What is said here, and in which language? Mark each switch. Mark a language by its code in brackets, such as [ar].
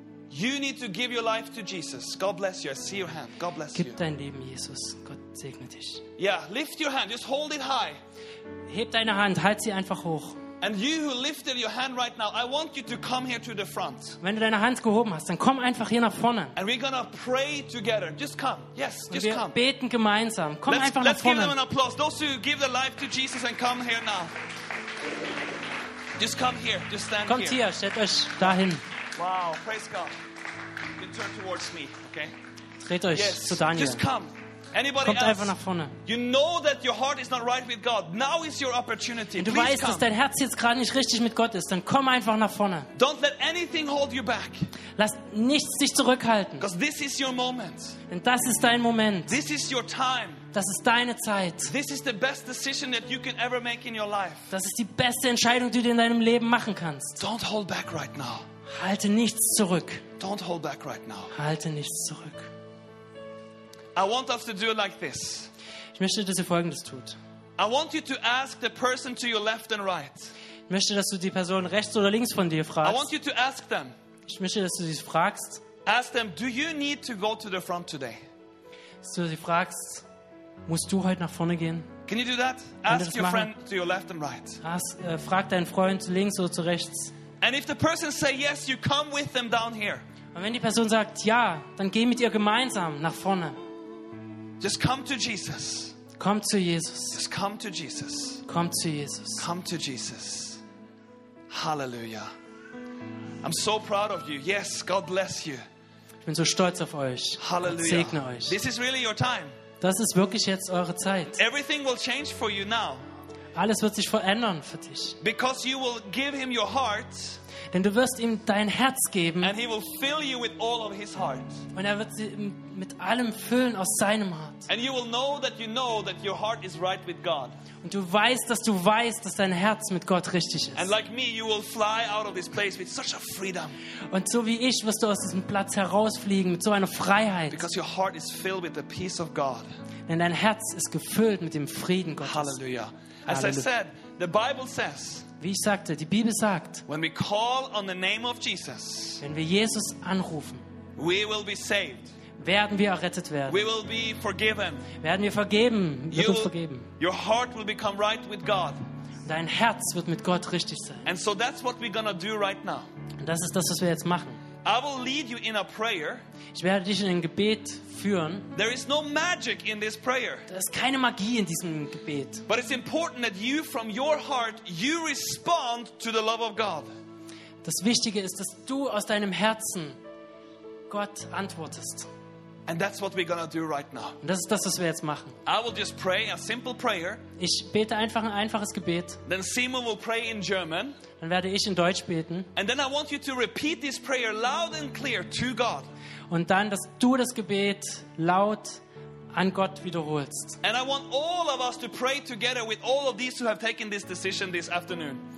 [en] You need to give your life to Jesus. God bless you. I see your hand. God bless you. [de] Gib dein Leben Jesus. Gott segne dich. [en] Yeah. Lift your hand. Just hold it high. [de] Heb deine Hand. Halt sie einfach hoch. [en] And you who lifted your hand right now, I want you to come here to the front. [de] Wenn du deine Hand gehoben hast, dann komm einfach hier nach vorne. [en] And we're gonna pray together. Just come. Yes, just come. [de] Wir beten gemeinsam. Komm einfach nach vorne. [en] Let's give them an applause. Those who give their life to Jesus and come here now. Just come here. Just stand here. [de] Kommt hier. Stellt euch dahin. [en] Wow. Praise God. You turn towards me. Okay. [de] Dreht euch zu Daniel. [en] Just come. Anybody [de] kommt [en] else? [de] Einfach nach vorne. [en] You know that your heart is not right with God. Now is your opportunity. [de] Wenn du [en] please [de] weißt, [en] come. [de] Dass dein Herz jetzt gerade nicht richtig mit Gott ist, dann komm einfach nach vorne. [en] Don't let anything hold you back. [de] Lass nichts dich zurückhalten. [en] Because this is your moment. [de] Denn das ist dein Moment. [en] This is your time. [de] Das ist deine Zeit. [en] This is the best decision that you can ever make in your life. [de] Das ist die beste Entscheidung, die du in deinem Leben machen kannst. [en] Don't hold back right now. [de] Halte nichts zurück. [en] Don't hold back right now. [de] Halte nichts zurück. [en] I want us to do it like this. [de] Ich möchte, dass ihr Folgendes tut. [en] I want you to ask the person to your left and right. [de] Ich möchte, dass du die Person rechts oder links von dir fragst. [en] I want you to ask them. [de] Ich möchte, dass du sie fragst. [en] Ask them, do you need to go to the front today? [de] Dass du sie fragst, musst du heute nach vorne gehen? [en] Can you do that? Ask your friend to your left and right. [de] Frag deinen Freund links oder zu rechts. [en] And if the person says yes, you come with them down here. [de] Und wenn die Person sagt ja, dann geh mit ihr gemeinsam nach vorne. [en] Just come to Jesus. [de] Komm zu Jesus. [en] Just come to Jesus. [de] Komm zu Jesus. [en] Come to Jesus. Hallelujah. I'm so proud of you. Yes, God bless you. [de] Ich bin so stolz auf euch. Hallelujah. Segne euch. [en] This is really your time. [de] Das ist wirklich jetzt eure Zeit. [en] Everything will change for you now. [de] Alles wird sich verändern für dich. [en] Because you will give him your heart. [de] Denn du wirst ihm dein Herz geben. [en] And he will fill you with all of his heart. [de] Und er wird sie mit allem füllen aus seinem Herz. [en] And you will know that you know that your heart is right with God. [de] Und du weißt, dass dein Herz mit Gott richtig ist. [en] And like me, you will fly out of this place with such a freedom. [de] Und so wie ich wirst du aus diesem Platz herausfliegen mit so einer Freiheit. [en] Because your heart is filled with the peace of God. [de] Denn dein Herz ist gefüllt mit dem Frieden Gottes. [en] Hallelujah. As I said, the Bible says. [de] Wie ich sagte, die Bibel sagt. [en] When we call on the name of Jesus. [de] Wenn wir Jesus anrufen. [en] We will be saved. [de] Werden wir errettet werden. [en] We will be forgiven. [de] Werden wir vergeben. Wird uns vergeben. [en] Your heart will become right with God. [de] Dein Herz wird mit Gott richtig sein. [en] And so that's what we're gonna do right now. [de] Und das ist das, was wir jetzt machen. [en] I will lead you in a prayer. [de] Ich werde dich in ein Gebet führen. [en] There is no magic in this prayer. [de] Da ist keine Magie in diesem Gebet. [en] But it's important that you, from your heart, you respond to the love of God. [de] Das Wichtige ist, dass du aus deinem Herzen Gott antwortest. [en] And that's what we're gonna do right now. [de] Und das ist das, was wir jetzt machen. [en] I will just pray a simple prayer. [de] Ich bete einfach ein einfaches Gebet. [en] Then Simon will pray in German. [de] Dann werde ich in Deutsch beten. [en] And then I want you to repeat this prayer loud and clear to God. [de] Und dann, dass du das Gebet laut an Gott wiederholst. [en] And I want all of us to pray together with all of these who have taken this decision this afternoon.